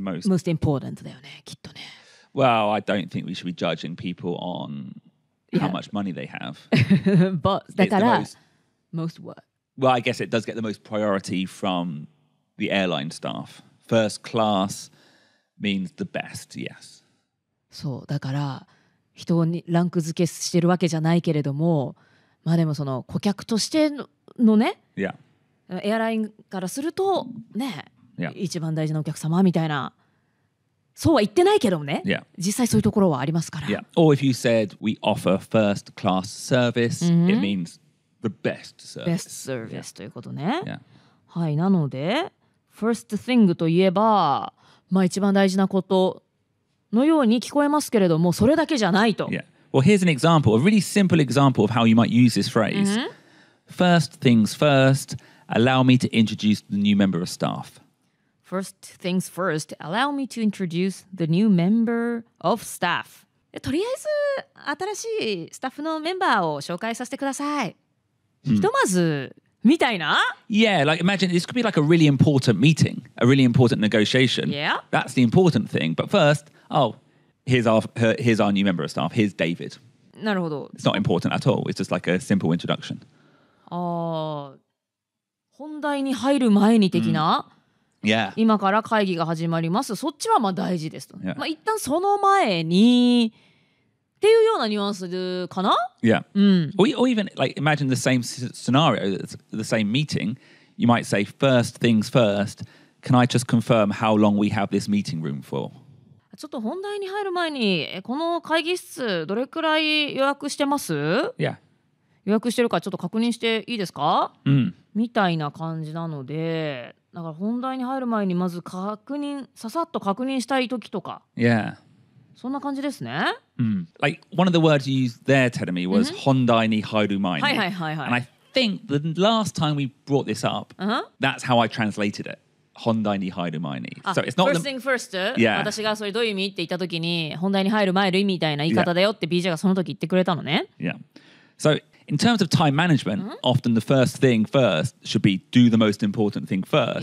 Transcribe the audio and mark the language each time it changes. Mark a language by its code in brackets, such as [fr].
[en] most important [ja] だよね、きっとね。 [en] Well, I don't think we should be judging people on how、yeah. much money they have. But that's the most what? Well, I guess it does get the most priority from the airline staff. First class means the best, yes. [ja] そう、だから人にランク付けしてるわけじゃないけれども、まあでもその顧客としてのね、 [en] yeah. [ja] エアラインからするとね、 [en] yeah. [ja] 一番大事なお客様みたいな。そうは言ってないけどもね、 [en] yeah. [ja] 実際そういうところはありますから、 [en] yeah. Or if you said we offer first class service、mm-hmm. it means the best service Best service、yeah. [ja] ということね、 [en] yeah. [ja] はい、なので First thing といえば、まあ、一番大事なことのように聞こえますけれどもそれだけじゃないと、 [en] yeah. Well here's an example A really simple example of how you might use this phrase、mm-hmm. First things first Allow me to introduce the new member of staff First things first, allow me to introduce the new member of staff. [ja] とりあえず新しいスタッフのメンバーを紹介させてください。ひとまずみたいな? [en] Yeah, like imagine this could be like a really important meeting, a really important negotiation. Yeah. That's the important thing. But first, oh, here's our new member of staff. Here's David. [ja] なるほど。 [en] It's not important at all. It's just like a simple introduction. [ja] ああ、本題に入る前に的な。 [en] Yeah. [ja] 今から会議が始まります。そっちはまあ大事ですと。 [en] Yeah. [ja] まあ一旦その前にっていうようなニュアンスかな [en] Yeah.、 [ja] うん、 [en] or even like imagine the same scenario, the same meeting. You might say, first things first, can I just confirm how long we have this meeting room for? [ja] ちょっと本題に入る前に、この会議室どれくらい予約してます [en] Yeah. [ja] 予約してるかちょっと確認していいですか、うん、みたいな感じなので、だから本題に入る前にまず確認、ささっと確認したい時とか。 [en] Yeah. [ja] そんな感じですね。 [en] Mm. Like, one of the words you used there, Terumi, was、mm-hmm. [ja] 本題に入る前に。はいはいはいはい。 [en] And I think the last time we brought this up,、 uh-huh. that's how I translated it. [ja] 本題に入る前に。 [en] So it's not first thing first. Yeah. [ja] 私がそれどういう意味って言った時に、本題に入る前の意味みたいな言い方だよって BJ がその時言ってくれたのね。 [en] Yeah. So in terms of time management,、uh-huh. often the first thing first should be do the most important thing first.